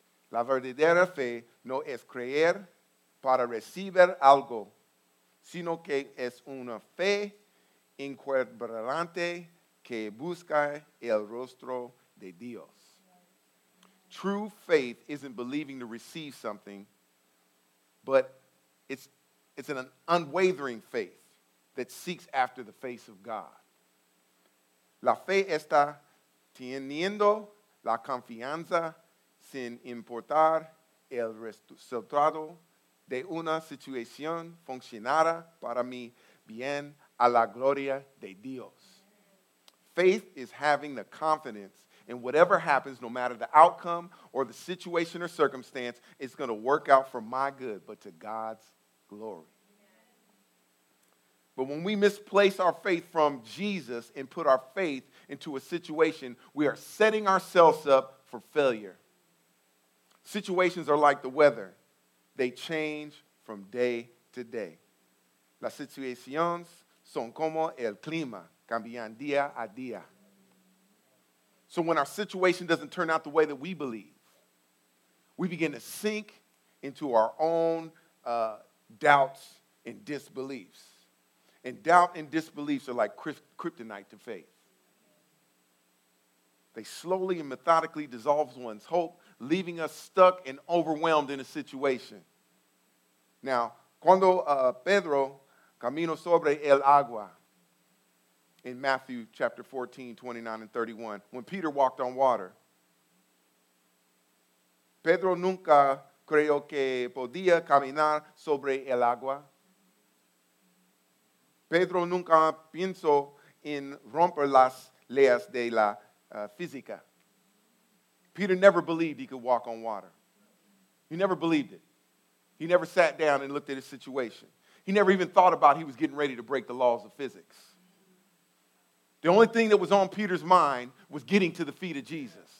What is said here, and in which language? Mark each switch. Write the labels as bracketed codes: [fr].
[es] La verdadera fe no es creer para recibir algo, sino que es una fe inquebrantable que busca el rostro de Dios. [en] True faith isn't believing to receive something, but it's an unwavering faith that seeks after the face of God. [es] La fe está teniendo la confianza sin importar el resultado de una situación funcionara para mí bien a la gloria de Dios. [en] Faith is having the confidence in whatever happens, no matter the outcome or the situation or circumstance, it's going to work out for my good, but to God's glory. But when we misplace our faith from Jesus and put our faith into a situation, we are setting ourselves up for failure. Situations are like the weather. They change from day to day. [es] Las situaciones son como el clima, cambian día a día. [en] So when our situation doesn't turn out the way that we believe, we begin to sink into our own doubts and disbeliefs. And doubt and disbeliefs are like kryptonite to faith. They slowly and methodically dissolve one's hope, leaving us stuck and overwhelmed in a situation. [es] Now, cuando Pedro caminó sobre el agua, [en] in Matthew chapter 14, 29 and 31, when Peter walked on water, [es] Pedro nunca creyó que podía caminar sobre el agua. Pedro nunca pensó en romper las leyes de la física. [en] Peter never believed he could walk on water. He never believed it. He never sat down and looked at his situation. He never even thought about he was getting ready to break the laws of physics. The only thing that was on Peter's mind was getting to the feet of Jesus.